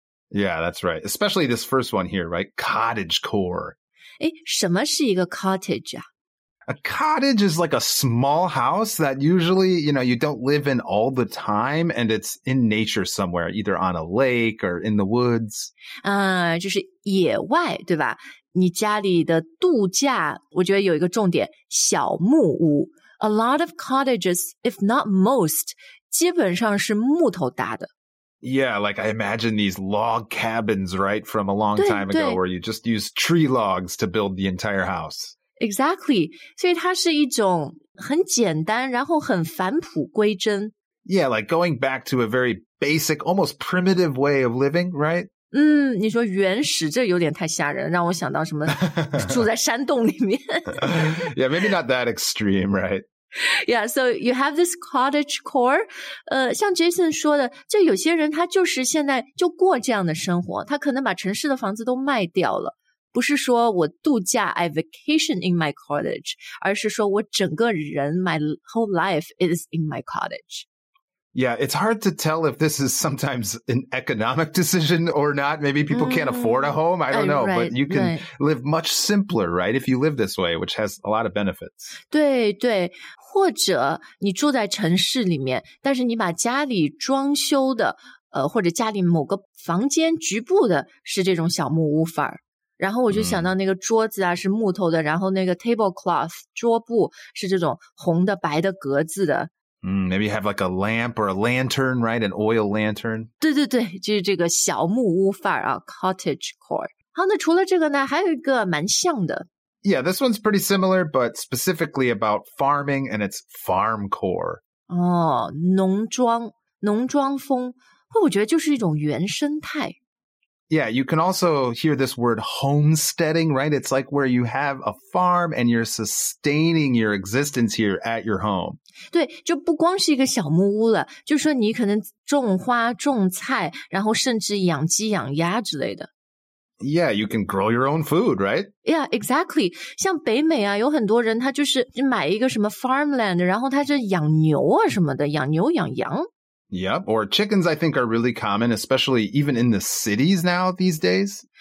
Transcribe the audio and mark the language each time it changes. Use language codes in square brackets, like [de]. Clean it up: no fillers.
[en] Yeah, that's right. Especially this first one here, right? Cottage core. [zh] 诶，什么是一个 cottage 啊？ [en] A cottage is like a small house that usually, you know, you don't live in all the time, and it's in nature somewhere, either on a lake or in the woods. [zh] 就是野外，对吧？你家里的度假，我觉得有一个重点，小木屋。 [en] A lot of cottages, if not most, [zh] 基本上是木头搭的。 [en] Yeah, like I imagine these log cabins, right, from a long time ago, where you just use tree logs to build the entire house. Exactly. [zh] 所以它是一种很简单然后很返璞归真。 [en] Yeah, like going back to a very basic, almost primitive way of living, right? [zh] 你说原始这有点太吓人，让我想到什么住在山洞里面。 [en] Yeah, maybe not that extreme, right? Yeah, so you have this cottage core. [zh] 像 Jason 说的，就有些人他就是现在就过这样的生活，他可能把城市的房子都卖掉了。不是说我度假 [en] I vacation in my cottage, [zh] 而是说我整个人 [en] my whole life is in my cottage. Yeah, it's hard to tell if this is sometimes an economic decision or not. Maybe people can't afford a home, I don't know. Right, but you can right. live much simpler, right, if you live this way, which has a lot of benefits. [zh] 对对，或者你住在城市里面，但是你把家里装修的或者家里某个房间局部的是这种小木屋范儿。然后我就想到那个桌子啊是木头的，然后那个 tablecloth 桌布是这种红的白的格子的。 [en] Maybe have like a lamp or a lantern, right? An oil lantern. [zh] 对对对，就是这个小木屋范儿啊 cottage core. 好，那除了这个呢还有一个蛮像的。 [en] Yeah, this one's pretty similar, but specifically about farming and it's farm core. [zh] 哦，农庄，农庄风，我觉得就是一种原生态。 [en] Yeah, you can also hear this word homesteading, right? It's like where you have a farm and you're sustaining your existence here at your home. [zh] 对，就不光是一个小木屋了，就说你可能种花、种菜，然后甚至养鸡、养鸭之类的。 [en] Yeah, you can grow your own food, right? Yeah, exactly. [zh] 像北美啊，有很多人他就是买一个什么 farmland, 然后他就养牛啊什么的，养牛、养羊。 [en] Yep, or chickens I think are really common, especially even in the cities now these days.